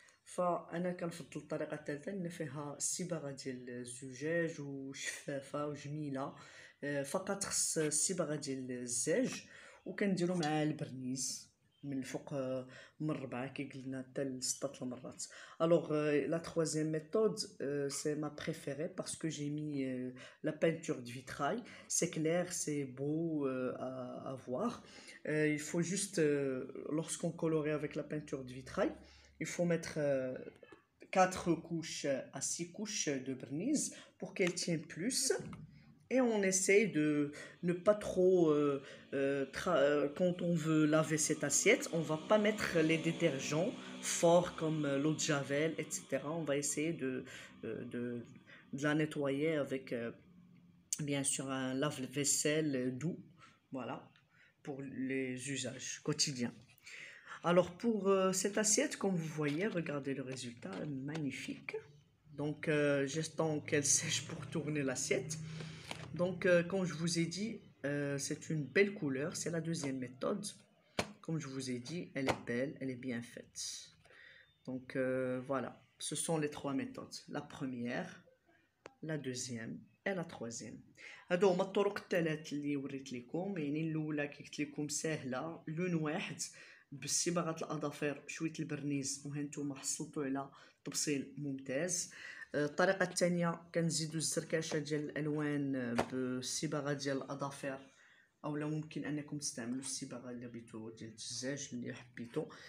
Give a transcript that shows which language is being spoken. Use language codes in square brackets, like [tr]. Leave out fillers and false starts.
[ar] فانا كنفضل الطريقه الثالثه لان فيها الصبغه ديال الزجاج وشفافه وجميله، فقط خص الصبغه ديال الزاج وكنديروا معاه البرنيز من الفوق من الربعه كي قلنا حتى لسته المرات. [fr] الوغ لا ثوازيام ميثود سي ما بريفيري باسكو جي مي لا بينتور دو فيتراي، سي كلير سي بو ا فوار. il faut juste lorsqu'on colorait avec la peinture du vitrail il faut mettre 4 couches à 6 couches de vernis pour qu'elle tienne plus. Et on essaye de ne pas trop, quand on veut laver cette assiette, on ne va pas mettre les détergents forts comme l'eau de Javel, etc. On va essayer de la nettoyer avec, bien sûr, un lave-vaisselle doux, voilà, pour les usages quotidiens. Alors, pour cette assiette, comme vous voyez, regardez le résultat, magnifique. Donc, j'attends qu'elle sèche pour tourner l'assiette. Donc, comme je vous ai dit, c'est une belle couleur. C'est la deuxième méthode. Comme je vous ai dit, elle est belle, elle est bien faite. Donc, voilà, ce sont les trois méthodes. La première, la deuxième et la troisième. [ar] هادو هما الطرق الثلاث اللي وريت لكم، يعني الاولى كي قلت لكم ساهله، لون واحد بالصبغه الاظافر شويه البرنيز وهانتوما حصلتوا على تبصيل ممتاز. الطريقه الثانيه كنزيدوا الزركشه ديال الالوان بالصبغه ديال الاظافر، او لا ممكن انكم تستعملوا الصبغه اللي بيتو ديال الزجاج اللي حبيتو.